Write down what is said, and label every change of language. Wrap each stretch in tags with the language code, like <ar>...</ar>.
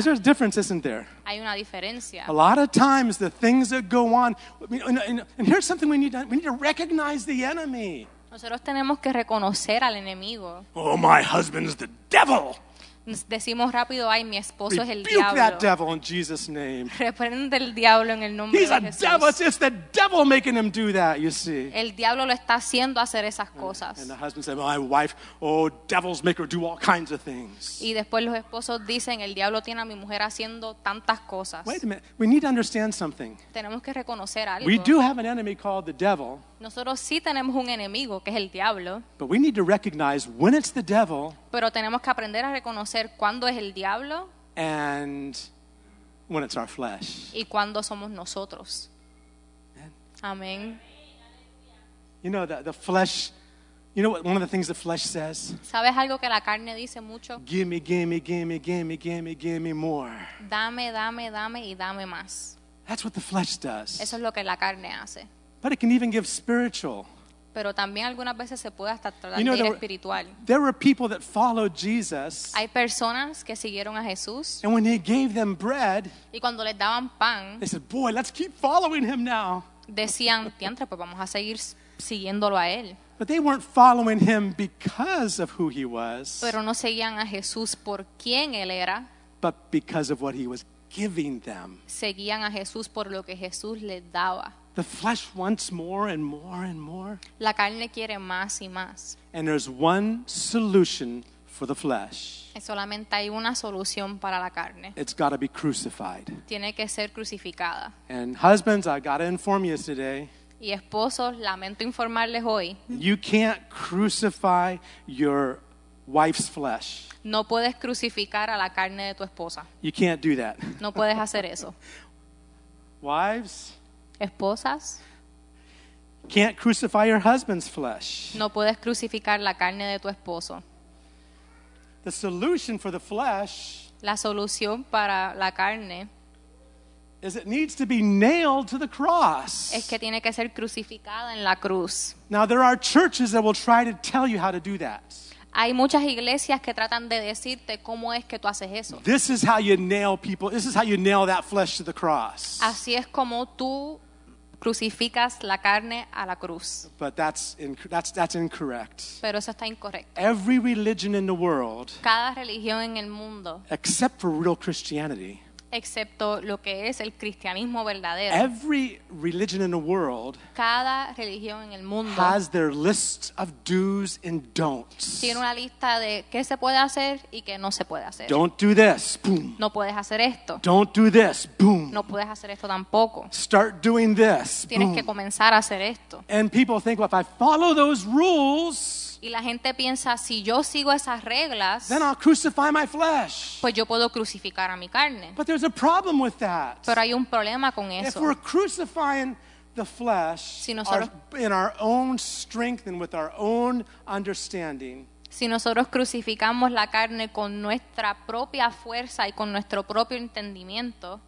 <en>There's a difference, isn't there?</en> <es>Hay una diferencia.</es> <en>A lot of times the things that go on, and here's something we need to recognize the enemy.</en> <es>Nosotros tenemos que reconocer al enemigo.</es> <en>Oh, my husband's the devil.</en> <es>Decimos rápido, ay, mi esposo es el diablo.</es> <en>Rebuke that devil in Jesus' name.</en> <es>Reprende el diablo en el nombre de Jesús.</es> <en>He's a devil. It's the devil making him do that, you see.</en> <es>El diablo lo está haciendo hacer esas cosas.</es> <en>And the husband said, my wife, oh, devils make her do all kinds of things.</en> <es>Y después los esposos dicen, el diablo tiene a mi mujer haciendo tantas cosas.</es> <en>Wait a minute. We need to understand something.</en> <es>Tenemos que reconocer algo.</es> <en>We do have an enemy called the devil.</en> <es>Nosotros sí tenemos un enemigo que es el diablo.</es> <en>But we need to recognize when it's the devil.</en> <es>Pero tenemos que aprender a reconocer cuándo es el diablo.</es> <en>And when it's our flesh.</en> <es>Y cuándo somos nosotros. Amén.</es> <en>You know the flesh. You know what one of the things the flesh says?</en> <es>¿Sabes algo que la carne dice mucho?</es> <en>Give me, give me, give me, give me, give me, give me more.</en> <es>Dame, dame, dame y dame más.</es> <en>That's what the flesh does.</en> <es>Eso es lo que la carne hace.</es> <en>But it can even give spiritual.</en> <es>Pero también algunas veces se puede hasta tratar de ir espiritual.</es> <en>There were people that followed Jesus.</en> <es>Hay personas que siguieron a Jesús.</es> <en>And when he gave them bread,</en> <es>y cuando les daban pan,</es> <en>they said, "Boy, let's keep following him now."</en> <es>Decían, "Tiantra, pues vamos a seguir siguiéndolo a él."</es> <en>But they weren't following him because of who he was.</en> <es>Pero no seguían a Jesús por quién él era.</es> <en>But because of what he was giving them.</en> <es>Seguían a Jesús por lo que Jesús les daba.</es> <en>The flesh wants more and more and more.</en> <es>La carne quiere más y más.</es> <en>And there's one solution for the flesh.</en> <es>Solamente hay una solución para la carne.</es> <en>It's got to be crucified.</en> <es>Tiene que ser crucificada.</es> <en>And husbands, I got to inform you today.</en> <es>Y esposos, lamento informarles hoy.</es> <en>You can't crucify your wife's flesh.</en> <es>No puedes crucificar a la carne de tu esposa.</es> <en>You can't do that.</en> <es>No puedes hacer eso.</es> <en>Wives.</en> <es>Esposas.</es> <en>Can't crucify your husband's flesh.</en> <es>No puedes crucificar la carne de tu esposo.</es> <en>The solution for the flesh.</en> <es>La solución para la carne.</es> <en>Is it needs to be nailed to the cross.</en> <es>Es que tiene que ser crucificada en la cruz.</es> <en>Now there are churches that will try to tell you how to do that.</en> <es>Hay muchas iglesias que tratan de decirte cómo es que tú haces eso.</es> <en>This is how you nail people. This is how you nail that flesh to the cross.</en> <es>Así es como tú crucificas la carne a la cruz.</es> <en>But that's incorrect.</en> <es>Pero eso está incorrecto.</es> <en>Every religion in the world.</en> <es>Cada religión en el mundo.</es> <en>Except for real Christianity.</en> <es>Excepto lo que es el cristianismo verdadero.</es> <en>Every religion in the world.</en> <es>Cada religión en el mundo.</es> <en>Has their list of do's and don'ts.</en> <es>Tiene una lista de qué se puede hacer y qué no se puede hacer.</es> <en>Don't do this. Boom.</en> <es>No puedes hacer esto.</es> <en>Don't do this. Boom.</en> <es>No puedes hacer esto tampoco.</es> <en>Start doing this. Boom.</en> <es>Tienes que comenzar a hacer esto.</es> <en>And people think, well, if I follow those rules.</en> <es>Y la gente piensa, si yo sigo esas reglas,</es> <en>then I'll crucify my flesh.</en> <es>Pues yo puedo crucificar a mi carne.</es> <en>But there's a problem with that.</en> <es>Pero hay un problema con eso.</es> <en>If we're crucifying the flesh,</en> <es>si nosotros,</es> <en>in our own strength and with our own understanding,</en> <es>si nosotros crucificamos la carne con nuestra propia fuerza y con nuestro propio entendimiento,</es>